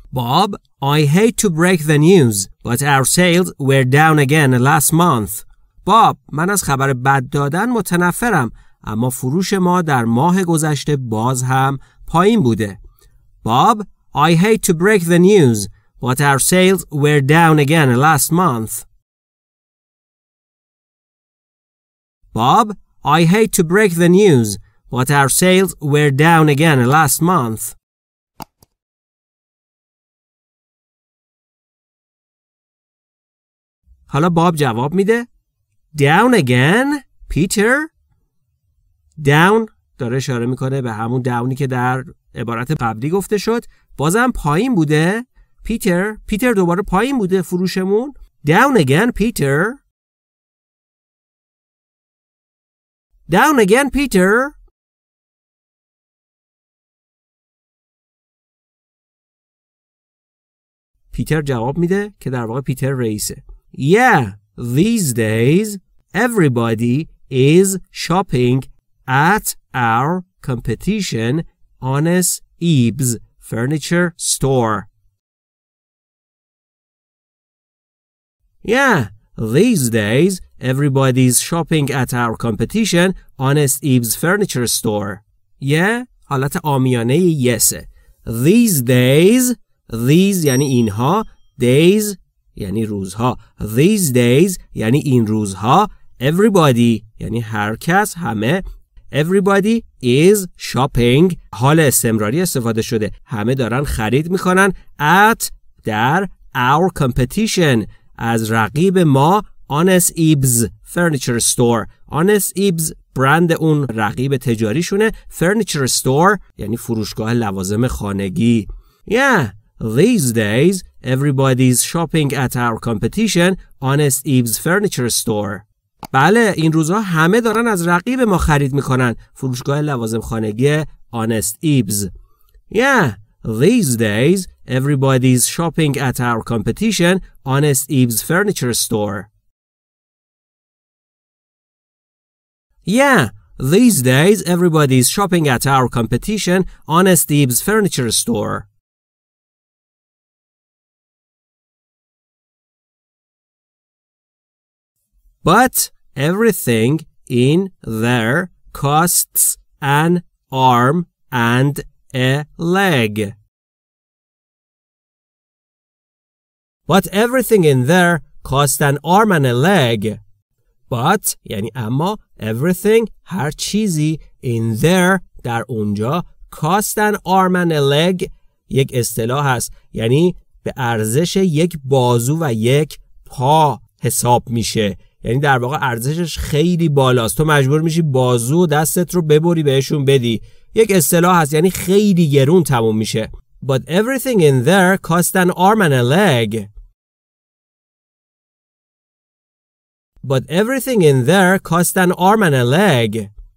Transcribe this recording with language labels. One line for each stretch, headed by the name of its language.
English: Bob, I hate to break the news, but our sales were down again last month.
Persian: باب، من از خبر بد دادن متنفرم، اما فروش ما در ماه گذشته باز هم پایین بوده.
English: Bob, I hate to break the news, but our sales were down again last month. Bob, I hate to break the news, but our sales were down again last month.
Persian: حالا باب جواب میده.
English: Down again, Peter.
Persian: Down داره اشاره میکنه به همون downی که در عبارت قبلی گفته شد. بازم پایین بوده. Peter دوباره پایین بوده فروشمون.
English: Down again, Peter. Down again, Peter.
Persian: پیتر جواب میده که در واقع پیتر رئیسه.
English: Yeah, these days everybody is shopping at our competition Honest Ebbs furniture store. Yeah, these days everybody is shopping at our competition Honest Ebbs furniture store.
Persian: Yeah, حالت عامیانه yes. These یعنی اینها, days یعنی روزها. These days یعنی این روزها. Everybody یعنی هر کس همه.
English: Everybody is shopping.
Persian: حال استمراری استفاده شده. همه دارن خرید میکنن. At در
English: our competition.
Persian: از رقیب ما Honest Ebbs furniture store. Honest Ebbs برند اون رقیب تجاریشونه. Furniture store یعنی فروشگاه لوازم خانگی.
English: Yeah. These days, everybody's shopping at our competition, Honest Ebbs furniture store. بله، این روزها همه دارن از رقیب ما خرید میکنن، فروشگاه لوازم خانگی Honest Ebbs. Yeah, these days, everybody's shopping at our competition, Honest Ebbs furniture store. Yeah, these days, everybody's shopping at our competition, Honest Ebbs furniture store. But everything in there costs an arm and a leg. But everything in there costs an arm and a leg.
Persian: But یعنی اما everything هر چیزی in there در اونجا
English: cost an arm and a leg
Persian: یک اصطلاح است، یعنی به ارزش یک بازو و یک پا حساب میشه، یعنی در واقع ارزشش خیلی بالاست، تو مجبور میشی بازو و دستت رو ببری بهشون بدی. یک اصطلاح هست یعنی خیلی گرون تموم میشه.
English: But everything in there cost an arm and a leg. But everything in there cost an arm and a leg.